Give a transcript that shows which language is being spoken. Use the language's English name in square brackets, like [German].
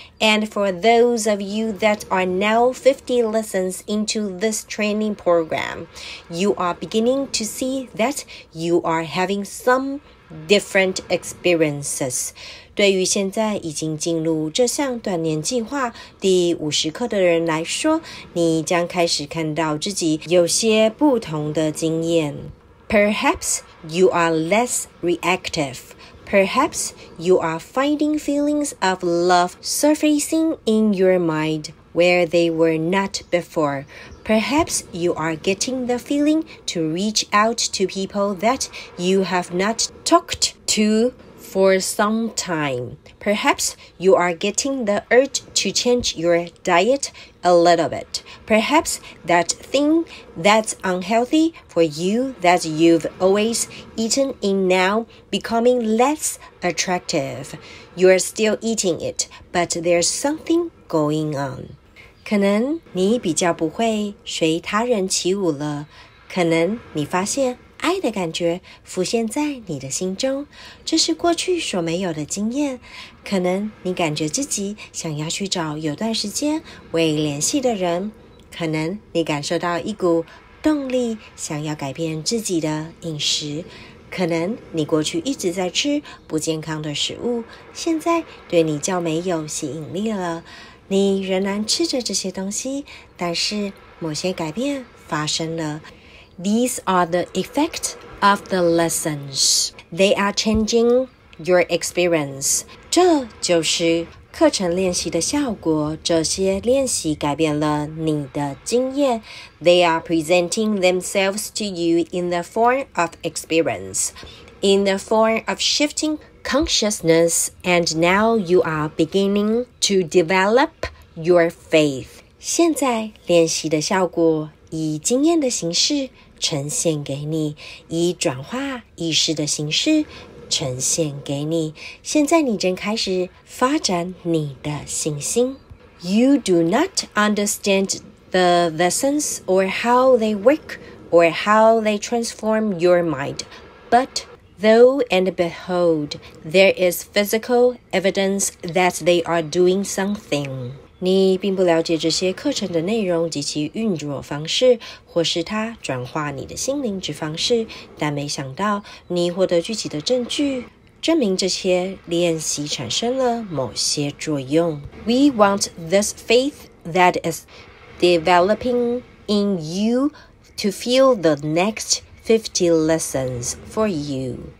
[English] And for those of you that are now 50 lessons into this training program, you are beginning to see that you are having some different experiences. [Chinese] 对于现在已经进入这项锻炼计划第50课的人来说，你将开始看到自己有些不同的经验。 [English] Perhaps you are less reactive. Perhaps you are finding feelings of love surfacing in your mind where they were not before. Perhaps you are getting the feeling to reach out to people that you have not talked to for some time. Perhaps you are getting the urge to change your diet a little bit. Perhaps that thing that's unhealthy for you that you've always eaten in now becoming less attractive. You're still eating it, but there's something going on. [Chinese] 可能你比较不会随他人起舞了，可能你发现爱的感觉浮现在你的心中，这是过去所没有的经验。可能你感觉自己想要去找有段时间未联系的人，可能你感受到一股动力想要改变自己的饮食，可能你过去一直在吃不健康的食物，现在对你较没有吸引力了。你仍然吃着这些东西，但是某些改变发生了。 [English] These are the effects of the lessons. They are changing your experience. [Chinese] 这就是课程练习的效果，这些练习改变了你的经验。 [English] They are presenting themselves to you in the form of experience, in the form of shifting consciousness, and now you are beginning to develop your faith. [Chinese] 现在练习的效果以经验的形式呈现给你，以转化意识的形式呈现给你。现在你正开始发展你的信心。 [English] You do not understand the lessons or how they work or how they transform your mind, but though and behold, there is physical evidence that they are doing something. [Chinese] 你并不了解这些课程的内容及其运作方式，或是它转化你的心灵之方式，但没想到你获得具体的证据，证明这些练习产生了某些作用。 [English] We want this faith that is developing in you to fill the next 50 lessons for you.